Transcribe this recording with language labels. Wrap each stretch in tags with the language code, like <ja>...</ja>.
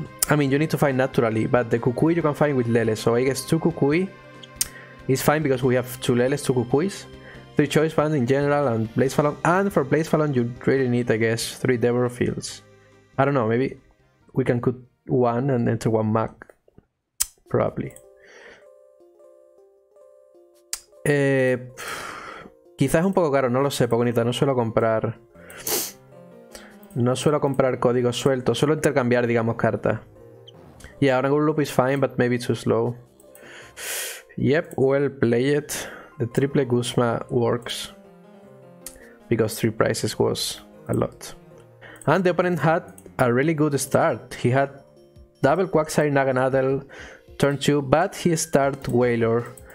<en>I mean, you need to find naturally, but the Kukui you can find with Lele, so I guess 2 Kukui is fine because we have 2 Leles, 2 Kukuis. 3 Choice Band in general and Blaze Fallon, and for Blaze Fallon you really need, I guess, 3 Devorfields. I don't know, maybe we can cut 1 and enter 1 Mag, probably.</en> <es>Quizás es un poco caro, no lo sé, Pogonita, no suelo comprar... No suelo comprar códigos sueltos, suelo intercambiar, digamos, cartas.</es> <en>Yeah, Oranguru Loop is fine, but maybe too slow. Yep, well played. The triple Guzma works. Because 3 prizes was a lot. And the opponent had a really good start. He had double Quagsire Naganadel turn 2, but he started Wailor.</en>